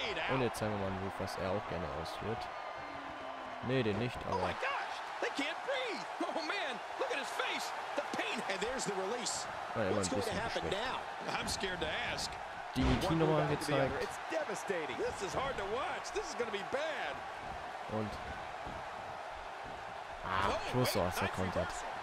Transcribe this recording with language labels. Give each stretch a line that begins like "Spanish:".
German: Und jetzt zeigen wir mal einen Move, was er auch gerne ausführt. Nee, den nicht, aber.
English: Oh my gosh, they can't breathe. Oh man, look at his face. The pain. And there's the release. What's going to happen now? I'm scared to ask.
German: Die Knie-Nummer gezeigt.
English: It's devastating. This is hard to watch. This is going to be bad.
German: Und. Ah, Schuss aus der Kontakt.